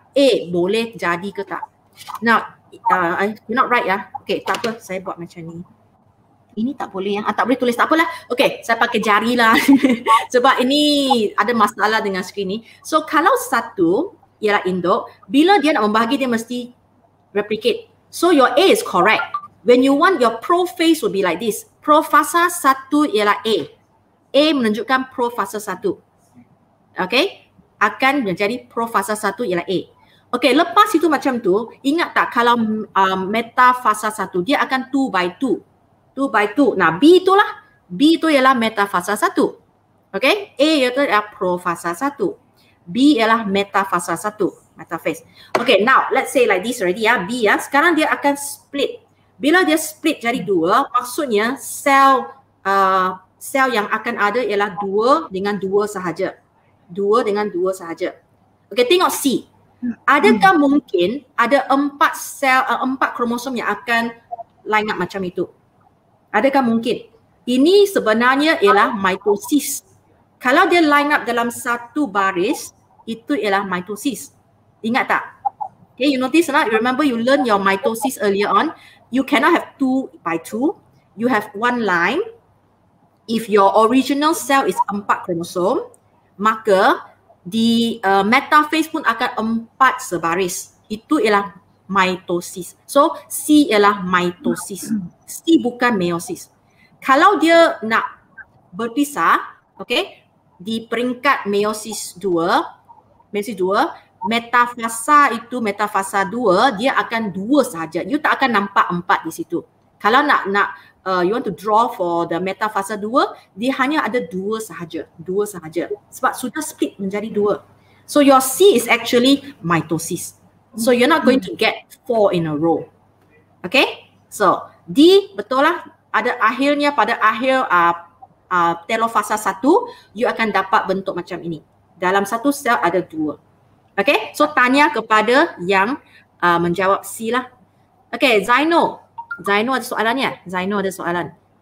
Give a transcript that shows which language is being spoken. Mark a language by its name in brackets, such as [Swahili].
[Malay] A boleh jadi ke tak? [English] Now, you're not right [Malay] ya. Okay, tak apa. Saya buat macam ni. Ini tak boleh ya. Tak boleh tulis. Tak apalah. Okay, saya pakai jari lah. Sebab ini ada masalah dengan skrin ni. So, kalau satu ialah induk, bila dia nak membahagi, dia mesti replicate. [English] So, your A is correct. When you want, your prophase will be like this. [Malay] Profasa satu ialah A. A menunjukkan profasa satu. Okay? Akan menjadi profasa satu ialah A. Okay, lepas itu macam tu, ingat tak kalau metafasa satu, dia akan 2 by 2. 2 by 2. Nah, B itulah. B itu ialah metafasa satu. Okay? A itu ialah profasa satu. B ialah metafasa satu. Metaphase. Okay, [English] now let's say like this already [Malay] ya. B ya. Sekarang dia akan split. Bila dia split jadi 2, maksudnya sel sel yang akan ada ialah 2 dengan 2 sahaja. 2 dengan 2 sahaja. Okey, tengok C. Adakah mungkin ada 4 sel 4 kromosom yang akan line up macam itu? Adakah mungkin? Ini sebenarnya ialah mitosis. Kalau dia line up dalam satu baris, itu ialah mitosis. Ingat tak? Okay, [English] you notice [Malay] lah. [English] Remember you learn your mitosis earlier on. You cannot have 2 by 2. You have one line. If your original cell is [Malay] 4 kromosom, maka di metaphase pun akan 4 sebaris. Itu ialah mitosis. So C ialah mitosis. C bukan meiosis. Kalau dia nak berpisah, okay, di peringkat meiosis 2, metafasa itu metafasa 2, dia akan 2 sahaja. You tak akan nampak 4 di situ. Kalau you [English] want to draw for the [Malay] metafasa 2, dia hanya ada 2 sahaja. 2 sahaja. Sebab sudah split menjadi 2. [English] So your C is actually mitosis. So you're not going to get 4 in a row. [Malay] Okay? So D betul lah. Ada akhirnya pada akhir telofasa 1, you akan dapat bentuk macam ini. Dalam satu sel ada 2. Okay, so tanya kepada yang menjawab C lah. Okay, Zaino ada soalan ya? Zaino ada soalan.